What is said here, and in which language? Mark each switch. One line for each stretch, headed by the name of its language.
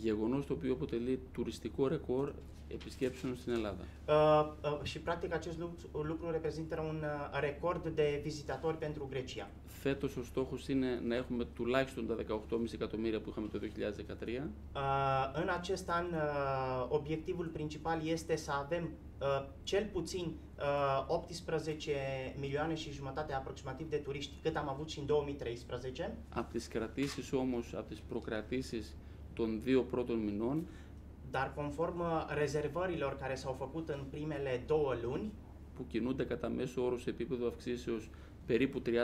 Greek: Γεγονός το οποίο αποτελεί τουριστικό ρεκόρ επισκέψεων στην Ελλάδα.
Romanian: Și practic acest lucru reprezintă un record de vizitatori pentru Grecia.
Greek: Φέτος ο στόχος είναι να έχουμε τουλάχιστον τα 18,5 εκατομμύρια που είχαμε το 2013.
Romanian: În acest an, obiectivul principal este să avem cel puțin 18 milioane și jumătate aproximativ de turiști, cât am avut și în 2013.
Greek: Από τις κρατήσεις όμως, από τις προκρατήσεις των δύο πρώτων μηνών,
Romanian: dar conform rezervărilor care s-au făcut în primele două luni,
Greek: που κινούνται κατά μέσο όρο σε επίπεδο αυξήσεως περίπου 30%,